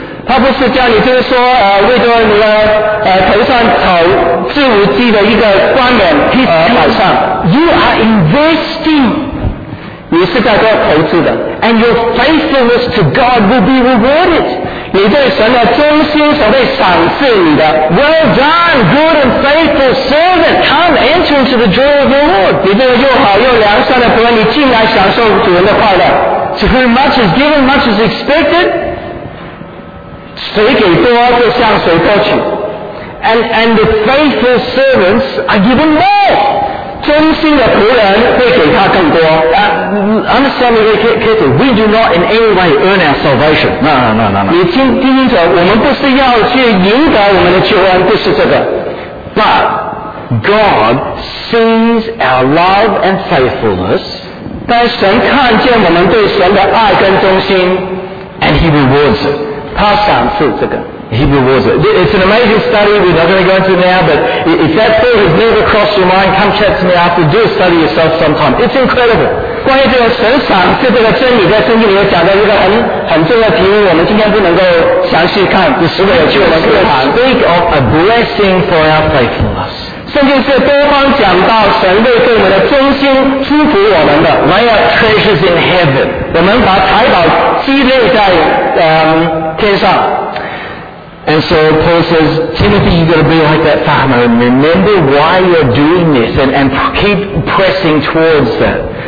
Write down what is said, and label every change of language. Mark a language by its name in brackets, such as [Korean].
[Chinese] 他不是叫你就是说为着你的头上草植物机的一个冠冕披上。 [English] You are investing. [Chinese] 你是在做投资的。 [English] And your faithfulness to God will be rewarded. [Chinese] 你对神的忠心所被赏赐你的。 [English] Well done, good and faithful servant, come enter into the joy of your Lord. [Chinese] 你这个又好又良善的仆人，你进来享受主人的快乐。 [English] To whom much is given, much is expected. [Chinese] 谁给多就向谁多取。 [English] And the faithful servants are given more. [Chinese] 忠心的仆人会给他更多。 [English] Understand me, Kitty. We do not in any way earn our salvation. No. [Chinese] 你听清楚，我们不是要去赢得我们的救恩，不是这个。 [English] But God sees our love and faithfulness. [Chinese] 当神看见我们对神的爱跟忠心， [English] and He rewards it. [Chinese] 他赏赐这个。 [English] Hebrew was it? It's an amazing study. We're not going to go into it now, but if that thought has never crossed your mind, come chat to me after. Do a study yourself sometime. It's incredible. [Chinese] 关于这个神赏是这个真理，在圣经里面讲的一个很重要的题目，我们今天不能够详细看，只是为了去我们这个堂。 [English] Speak of a blessing for our faithfulness. [Chinese] 圣经是多方讲到神为我们的忠心祝福我们的 [English] My treasures in heaven. [Chinese] 我们把财宝积累在天上。 [English] And so Paul says, Timothy, you've got to be like that farmer. Remember why you're doing this and keep pressing towards that.